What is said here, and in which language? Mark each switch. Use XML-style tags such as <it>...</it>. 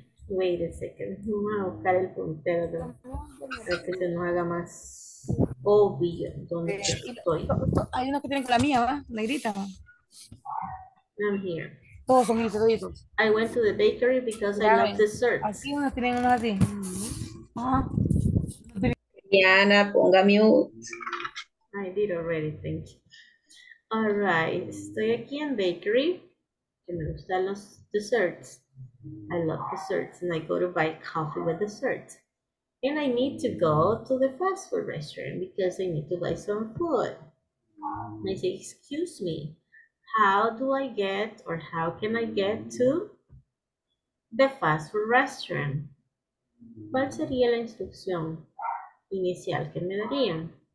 <en>Wait a second,</en> <es>vamos a buscar el puntero, ¿no? Para que se nos haga más obvio donde estoy. Hay uno que tiene con la mía, ¿verdad? Negrita.</es> <en>I'm here.</en> <es>Todos son mis favoritos.</es> <en>I went to the bakery because I love desserts.</en> <es>Aquí unos tienen unos así. Diana, ponga mute.</es> <en>I did already, thank you. All right,</en> <es>estoy aquí en bakery. Que me gustan los desserts.</es> <en>I love desserts and I go to buy coffee with desserts. And I need to go to the fast food restaurant because I need to buy some food. And I say, excuse me, how do I get or how can I get to the fast food restaurant?</en> <es>¿Cuál sería la instrucción inicial que me darían?</es>